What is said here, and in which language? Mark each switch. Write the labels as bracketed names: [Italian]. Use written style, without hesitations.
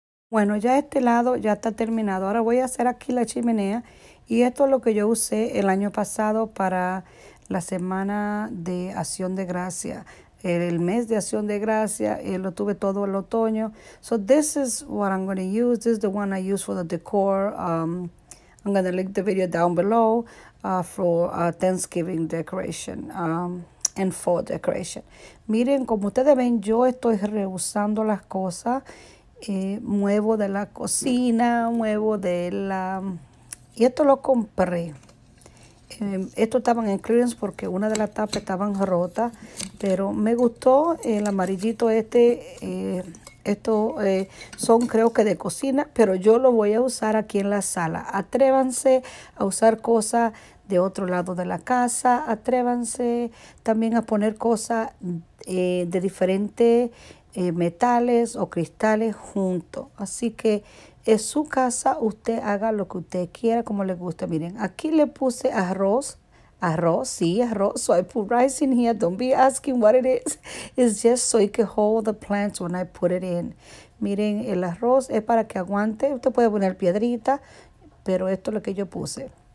[Spanish] Bueno, ya este lado ya está terminado. Ahora voy a hacer aquí la chimenea y esto es lo que yo usé el año pasado para la semana de Acción de Gracia. El mes de Acción de Gracia lo tuve todo el otoño. [English] So this is what I'm going to use. This is the one I use for the decor. I'm going to link the video down below for Thanksgiving decoration and fall decoration. [Spanish] Miren, como ustedes ven, yo estoy reusando las cosas. Muevo de la cocina, muevo de la. Y esto lo compré. Esto estaban en clearance porque una de las tapas estaban rotas, pero me gustó el amarillito este. Esto son creo que de cocina, pero yo lo voy a usar aquí en la sala. Atrévanse a usar cosas de otro lado de la casa. Atrévanse también a poner cosas de diferente. Metales o cristales juntos. Así que en su casa usted haga lo que usted quiera, como le guste. Miren, aquí le puse arroz. Arroz, sí, arroz. [English] So I put rice in here. Don't be asking what it is. It's just so it can hold the plants when I put it in. [Spanish] Miren, el arroz es para que aguante. Usted puede poner piedrita, pero esto es lo que yo puse.